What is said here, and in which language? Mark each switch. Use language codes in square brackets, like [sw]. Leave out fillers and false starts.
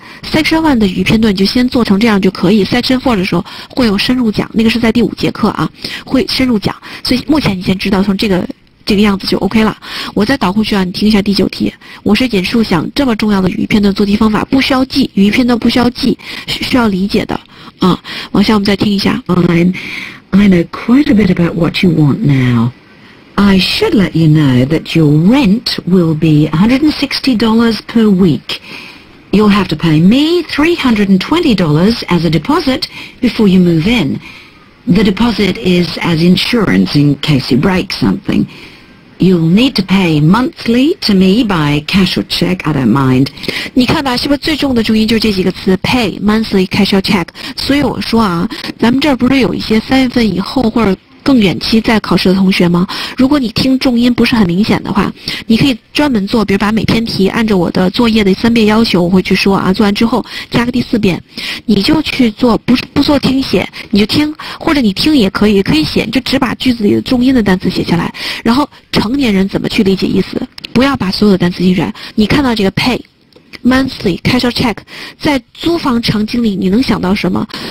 [zh] Section 1的语片段你就先做成这样就可以， Section 4的时候会有深入讲，那个是在第五节课啊，会深入讲，所以目前你先知道从这个样子就 OK 了。我再倒回去啊，你听一下第九题，我是简述想这么重要的语片段做题方法，不需要记语片段，不需要记，需要理解的啊。往下我们再听一下。 [en] I know quite a bit about what you want now. I should let you know that your rent will be $160 per weekYou'll have to pay me $320 as a deposit before you move in. The deposit is as insurance in case you break something. You'll need to pay monthly to me by cash or check. I don't mind. [zh] 你看吧，是不是最重的重音就是这几个词 ？ [en] Pay monthly cash or check. [zh] 所以我说啊，咱们这儿不是有一些三月份以后或者更远期在考试的同学吗？如果你听重音不是很明显的话，你可以专门做，比如把每篇题按照我的作业的三遍要求，我会去说啊，做完之后加个第四遍，你就去做，不做听写，你就听，或者你听也可以，可以写，就只把句子里的重音的单词写下来，然后成年人怎么去理解意思，不要把所有的单词记下来。你看到这个 [en] pay monthly cash or check， [zh] 在租房场景里你能想到什么？